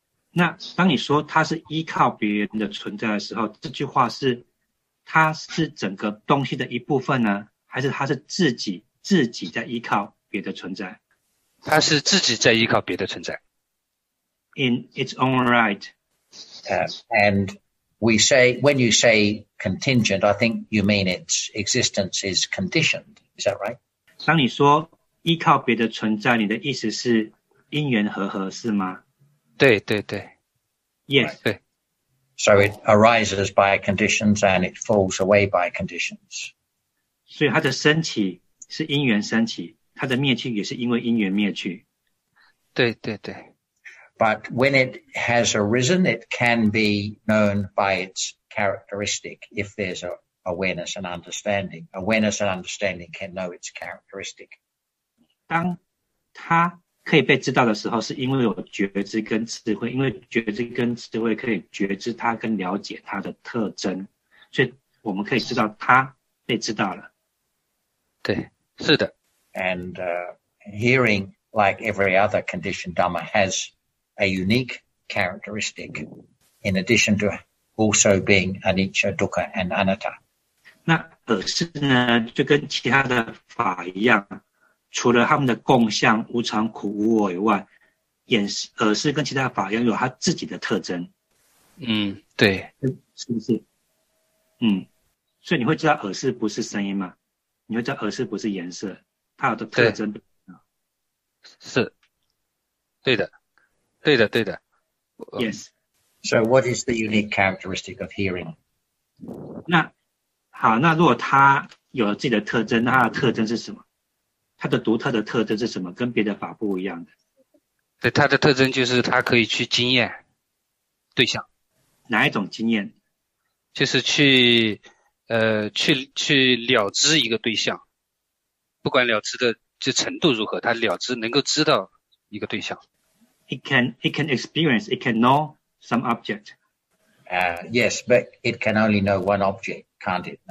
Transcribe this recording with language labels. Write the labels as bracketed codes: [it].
[zh] 那当你说它是依靠别人的存在的时候，这句话是它是整个东西的一部分呢？还是他是自己在依靠别的存在，他是自己在依靠别的存在。 [en] In its own right, and we say when you say contingent, I think you mean its existence is conditioned. Is that right? [zh] 当你说依靠别的存在，你的意思是因缘和合是吗？对对对。 [en] Yes. Right. [zh] 对。 [en] So it arises by conditions and it falls away by conditions. [zh] 所以它的升起是因缘升起，它的灭去也是因为因缘灭去。对对对。 [en] But when it has arisen, it can be known by its characteristic if there's a awareness and understanding. Awareness and understanding can know its characteristic. [zh] 当它可以被知道的时候，是因为有觉知跟智慧，因为觉知跟智慧可以觉知它跟了解它的特征，所以我们可以知道它被知道了。对，是的。 [en] And hearing, like every other conditioned Dhamma, has a unique characteristic in addition to also being anicca, dukkha, and anatta. [zh] 那耳识呢，就跟其他的法一样，除了他们的共相无常、苦、无我以外，眼识、耳识跟其他法一样，有他自己的特征。嗯，对，是不是？嗯，所以你会知道耳识不是声音嘛？你会知道耳识不是颜色，它有的特征。是，对的，对的，对的。 [en] Yes. So what is the unique characteristic of hearing? [zh] 那好，那如果它有了自己的特征，那它的特征是什么？它的独特的特征是什么？跟别的法不一样的？对，它的特征就是它可以去经验对象。哪一种经验？就是去去了知一个对象，不管了知的就程度如何，他了知能够知道一个对象。 [en] It can experience, it can know some object. Yes, but it can only know one object, can't it?